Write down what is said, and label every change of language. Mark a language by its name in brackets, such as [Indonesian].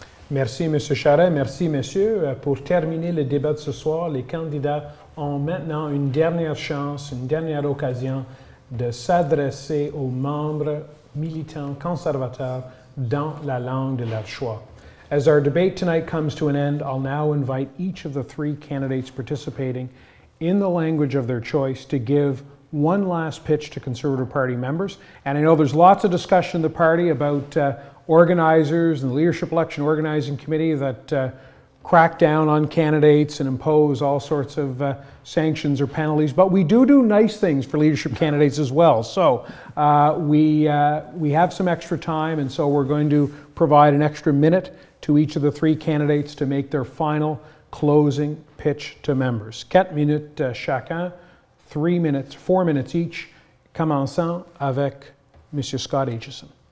[French] Merci, M. Charest. Merci, messieurs. Pour terminer le débat de ce soir, les candidats ont maintenant une dernière chance, une dernière occasion de s'adresser aux membres militants conservateurs dans la langue de leur choix. [English] As our debate tonight comes to an end, I'll now invite each of the three candidates participating in the language of their choice to give one last pitch to Conservative Party members. And I know there's lots of discussion in the party about organizers and the Leadership Election Organizing Committee that crack down on candidates and impose all sorts of sanctions or penalties. But we do nice things for leadership candidates as well. So we have some extra time, and so we're going to provide an extra minute to each of the three candidates to make their final closing pitch to members. [French] 4 minutes chacun, 3 minutes, [English] 4 minutes each, [French] commençant avec Monsieur Scott Aitchison.